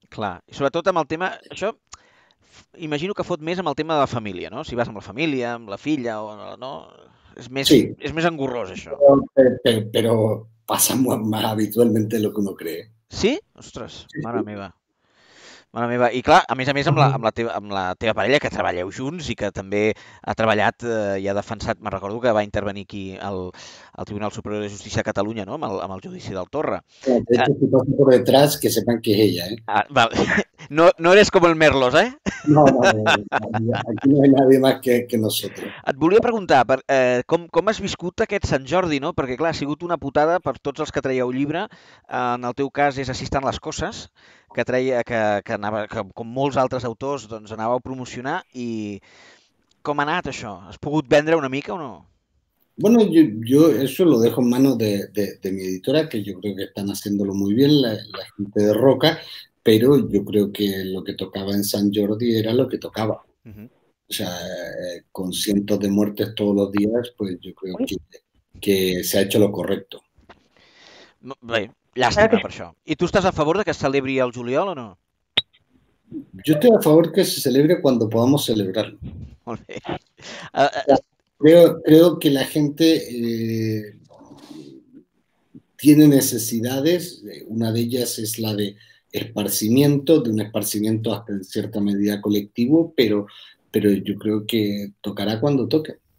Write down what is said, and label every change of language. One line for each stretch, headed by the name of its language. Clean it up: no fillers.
Catalan: Clar, i sobretot amb el tema, això imagino que fot més amb el tema de la família, no? Si vas amb la família, amb la filla o no, és més engorrós això.
Spanish: Pero pasa más habitualmente de lo que uno cree.
Catalan: Sí? Ostres, sí. Mare meva, i clar, a més amb la teva parella, que treballeu junts i que també ha treballat i ha defensat, me recordo que va intervenir aquí al Tribunal Superior de Justícia de Catalunya, no? amb el judici del Torra.
Spanish: Si passa per detrás, que sepan que és ella, eh?
Catalan: Ah, vale. No eres com el Merlos, eh? No, aquí no hi ha
Spanish: nadie más que nosotros.
Catalan: Et volia preguntar, com has viscut aquest Sant Jordi, no? Perquè clar, ha sigut una putada per tots els que traieu llibre, en el teu cas és Assistant les coses, que traia, que anava, que, com molts altres autors, doncs anàveu a promocionar, i com ha anat això? Has pogut vendre una mica o no?
Spanish: Bueno, yo eso lo dejo en manos de mi editora, que yo creo que están haciéndolo muy bien, la gente de Roca, pero yo creo que lo que tocaba en Sant Jordi era lo que tocaba. Uh-huh. O sea, con cientos de muertes todos los días, pues yo creo que se ha hecho lo correcto.
Catalan: Bé, llàstima per això. I tu estàs a favor de que es celebri el juliol o no?
Spanish: Yo estoy a favor que se celebre cuando podamos celebrarlo.
Catalan: Molt bé.
Spanish: Creo que la gente tiene necesidades, una de ellas es la de esparcimiento, de un esparcimiento hasta en cierta medida colectivo, pero yo creo que tocará cuando toque.